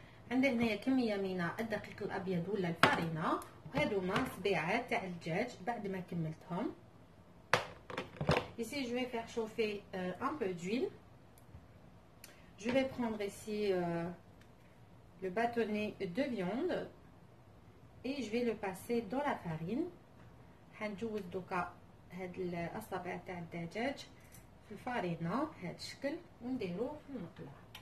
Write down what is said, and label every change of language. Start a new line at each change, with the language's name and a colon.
Arabic: عندي هنايا كمية من الدقيق الأبيض ولا الفارينة، وهادو ما صبيعات تاع الدجاج بعد ما كملتهم.
French: ici je vais faire chauffer un peu d'huile. je vais prendre ici le bâtonnet de viande et je vais le passer dans la farine.
Arabic: هنجوز دوكا هاد الأصابع تاع الدجاج الفارينة بهاد الشكل ونديرو في المقلاة.